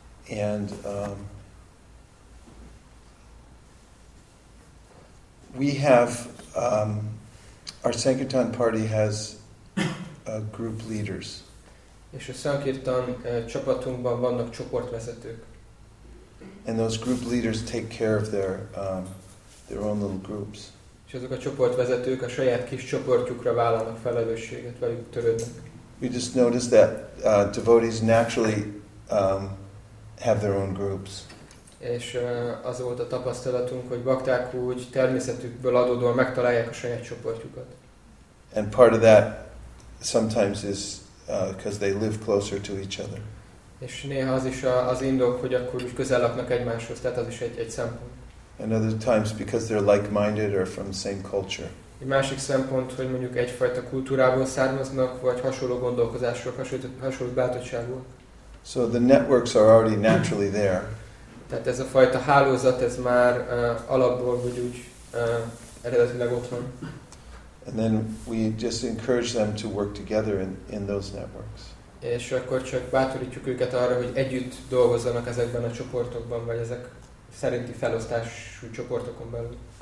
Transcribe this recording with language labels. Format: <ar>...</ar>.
<en>And we have our Sankirtan party has group leaders.</en> <hu>És a Sankirtan csapatunkban vannak csoportvezetők.</hu> <en>And those group leaders take care of their own little groups.</en> <hu>És azok a csoportvezetők a saját kis csoportjukra vállalnak felelősséget, velük törődnek.</hu> <en>We just noticed that devotees naturally have their own groups.</en> <hu>És az volt a tapasztalatunk, hogy bakták úgy természetükből adódóan megtalálják a saját csoportjukat.</hu> <en>And part of that sometimes is because they live closer to each other.</en> <hu>És néha az is az indok, hogy akkor úgy közel laknak egymáshoz, tehát az is egy szempont.</hu> <en>And other times because they're like-minded or from the same culture.</en> <hu>Egy másik szempont, hogy mondjuk egyfajta kultúrából származnak, vagy hasonló gondolkozásról, hasonló bátorságból.</hu> <en>So the networks are already naturally there.</en> <hu>Tehát ez a fajta hálózat, ez már alapból, vagy úgy eredetileg ott van.</hu> <en>And then we just encourage them to work together in those networks.</en> <hu>És akkor csak bátorítjuk őket arra, hogy együtt dolgozzanak ezekben a csoportokban, vagy ezek szerinti felosztású csoportokon belül.</hu>